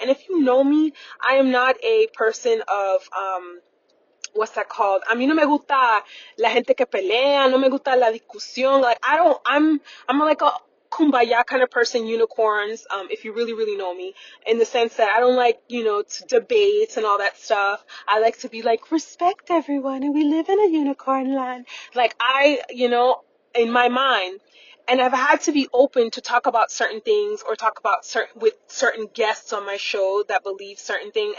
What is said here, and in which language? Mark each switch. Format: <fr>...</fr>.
<en>And if you know me, I am not a person of, what's that called?</en> <es>A mí no me gusta la gente que pelea, no me gusta la discusión.</es> <en>Like, I'm like a kumbaya kind of person, unicorns, if you really, really know me, in the sense that I don't like, you know, to debate and all that stuff. I like to be like, respect everyone, and we live in a unicorn land. Like, I, you know, in my mind, and I've had to be open to talk about certain things or talk about certain with certain guests on my show that believe certain things.</en>